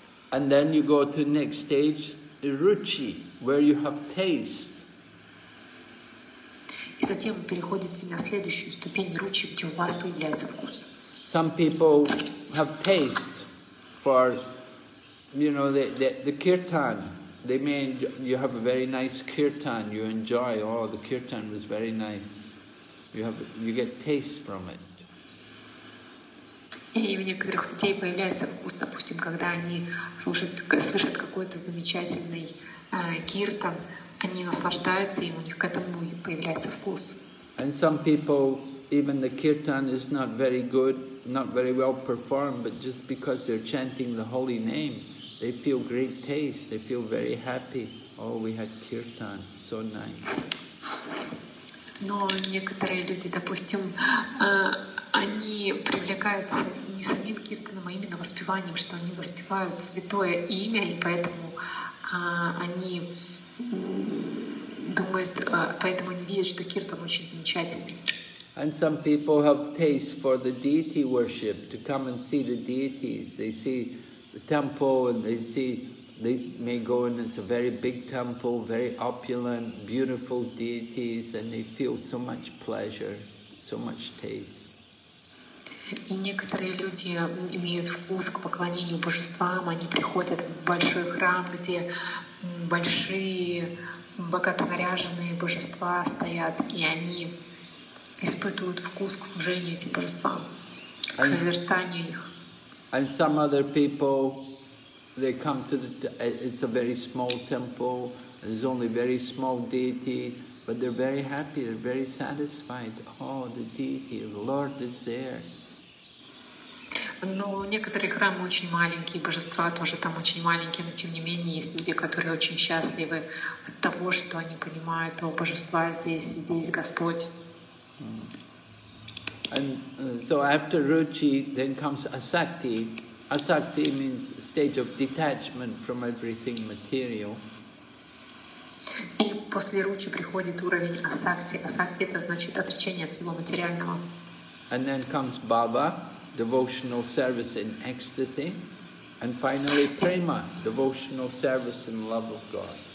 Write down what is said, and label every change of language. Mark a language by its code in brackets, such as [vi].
[en] And then you go to the next stage, ruchi, where you have taste. [ru] И затем вы переходите на следующую ступень ручи, где у вас появляется вкус. [en] Some people have taste for, you know, the kirtan. They may you have a very nice kirtan. You enjoy. Oh, the kirtan was very nice. You get taste from it. [ru] И у некоторых людей появляется вкус, допустим, когда они слышат какой-то замечательный киртан. Они наслаждаются, и у них к этому появляется вкус. [en] And some people, even the kirtan is not very good, not very well performed, but just because they're chanting the holy name, they feel great taste, they feel very happy. Oh, we had kirtan, so nice. [ru] Но некоторые люди, допустим, они привлекаются не самим киртаном, а именно воспеванием, что они воспевают святое имя, и поэтому они думают, поэтому они видят, что киртан очень замечательный. [en] And some people have taste for the deity worship, to come and see the deities. They see the temple and they see, they may go in, it's a very big temple, very opulent, beautiful deities, and they feel so much pleasure, so much taste. [ru] И некоторые люди имеют вкус к поклонению божествам, они приходят в большой храм, где большие, богато наряженные божества стоят, и они испытывают вкус к служению этим божествам, к созерцанию их. [en] And some other people, they come to the, it's a very small temple, there's only very small deity, but they're very happy, they're very satisfied. Oh, the deity, the Lord is there. [ru] Но некоторые храмы очень маленькие, божества тоже там очень маленькие, но тем не менее есть люди, которые очень счастливы от того, что они понимают, о, божества здесь, и здесь Господь. [en] And so after Ruchi, then comes Asakti. Asakti means stage of detachment from everything material. [ru] И после Ruchi приходит уровень Asakti. Asakti — это значит отречение от всего материального. [en] And then comes Bhava, devotional service in ecstasy. And finally Prema, devotional service in love of God.